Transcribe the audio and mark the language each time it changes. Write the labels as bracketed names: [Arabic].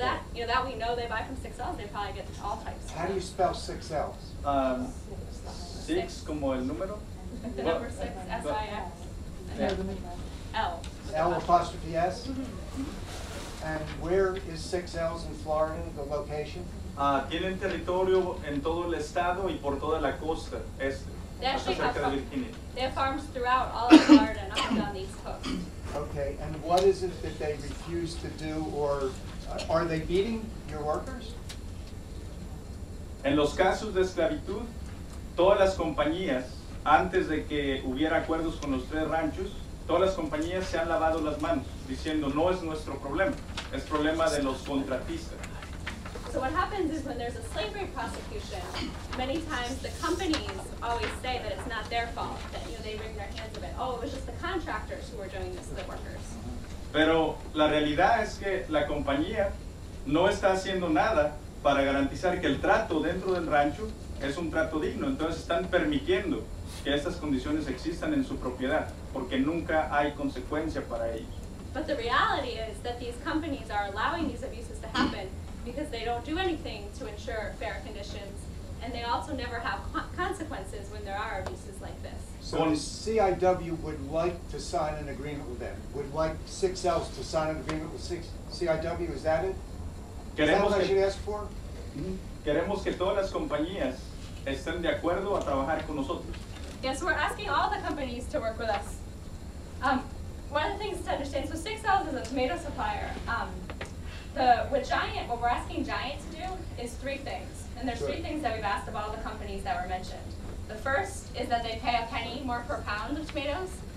[English] That, you know, that we know they buy from Six L's, they probably get all types. How do you spell Six L's? [Spanish] Six, como el número? [English] The number six, S-I-X. Yeah. L apostrophe S? And where is Six L's in Florida, the location? [Spanish] Tienen territorio en todo el estado y por toda la costa este. [English] They actually have, they have farms throughout all of Florida, not down the East Coast. Okay, and what is it that they refuse to do or... are they beating your workers? [Spanish] En los casos de esclavitud, todas las compañías, antes de que hubiera acuerdos con los tres ranchos, todas las compañías se han lavado las manos diciendo no es nuestro problema, es problema de los contratistas. [English] So what happens is when there's a slavery prosecution, many times the companies always say that it's not their fault, that you know they wring their hands of it. Oh, it was just the contractors who were doing this to the workers. [Spanish] Pero la realidad es que la compañía no está haciendo nada para garantizar que el trato dentro del rancho es un trato digno. Entonces están permitiendo que estas condiciones existan en su propiedad, porque nunca hay consecuencia para ellos. [English] But the reality is that these companies are allowing these abuses to happen because they don't do anything to ensure fair conditions, and they also never have consequences when there are abuses like this. So the CIW would like to sign an agreement with them, would like 6Ls to sign an agreement with CIW, is that it? [Spanish] Queremos [English] that what I should ask for? [Spanish] Queremos que todas las compañías estén de acuerdo a trabajar con nosotros. [English] Yes, we're asking all the companies to work with us. One of the things to understand, so 6Ls is a tomato supplier. What we're asking Giant to do is three things. And there's three things that we've asked of all the companies that were mentioned. The first is that they pay a penny more per pound of tomatoes.